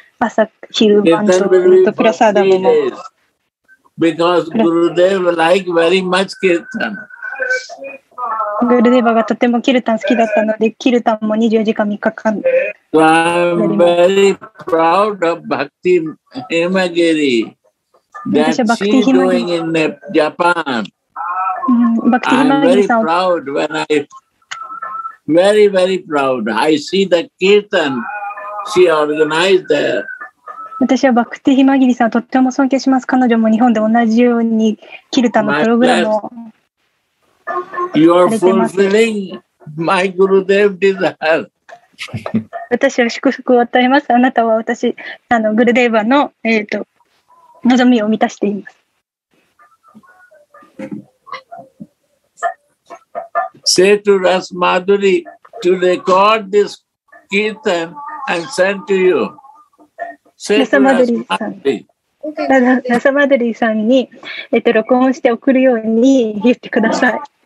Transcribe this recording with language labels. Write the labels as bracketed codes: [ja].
[ja] 朝昼晩とプラサダムも、 [en] because Gurudev like very much kirtan. [ja] グルデバがとてもキルタン好きだったのでキルタンも24時間3日間。 [en] I'm very proud of Bhakti Himagiri that she doing in Japan. I'm very proud when I very very proud. I see the kirtan she organized there. [ja] 私はバクティヒマギリさんとっても尊敬します。彼女も日本で同じようにキルタのプログラム [en] を。You are fulfilling my Gurudev desire. [ja] 私は祝福を与えます。あなたは私、あのグルデーバの、望みを満たしています。 [en] Say to Rasmadhuri to record this kirtan and send to you. [ja] ラサマドリーさんに、録音して送るように言ってください。